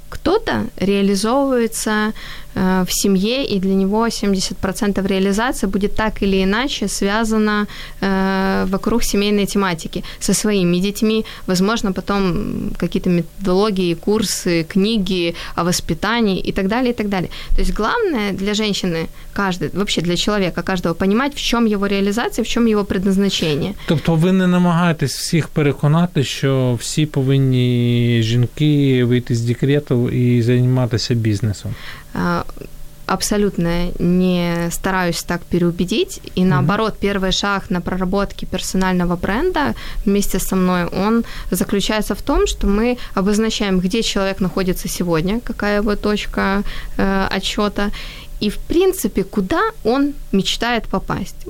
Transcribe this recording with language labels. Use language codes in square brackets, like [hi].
[ru] Кто-то реализовывается в семье, и для него 70% реализации будет так или иначе связано вокруг семейной тематики со своими детьми. Возможно, потом какие-то методологии, курсы, книги о воспитании и так далее, и так далее. То есть главное для женщины, каждый, вообще для человека каждого, понимать, в чем его реализация, в чем его предназначение. То есть вы не [uk] намагаетесь всех переконати, что все повинні жінки вийти з декрету і займатися бізнесом? [ru] Абсолютно не стараюсь так переубедить. И наоборот, mm-hmm. первый шаг на проработке персонального бренда вместе со мной, он заключается в том, что мы обозначаем, где человек находится сегодня, какая его точка отчета, и, в принципе, куда он мечтает попасть.